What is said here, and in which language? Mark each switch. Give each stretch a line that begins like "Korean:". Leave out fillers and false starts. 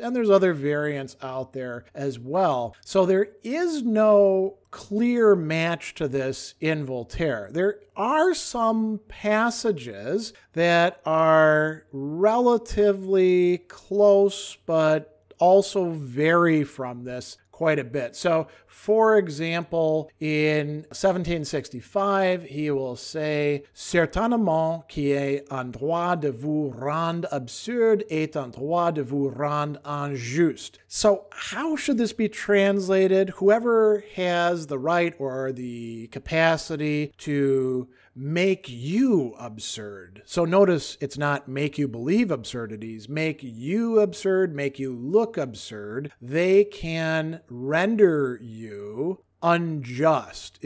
English: And there's other variants out there as well. So there is no clear match to this in Voltaire. There are some passages that are relatively close, but also vary from this quite a bit. So, for example, in 1765, he will say,
French: "Certainement qui est en droit de vous rendre absurde est en droit de vous rendre injuste."
English: So, how should this be translated? Whoever has the right or the capacity to make you absurd. So notice it's not make you believe absurdities, make you absurd, make you look absurd. They can render you unjust.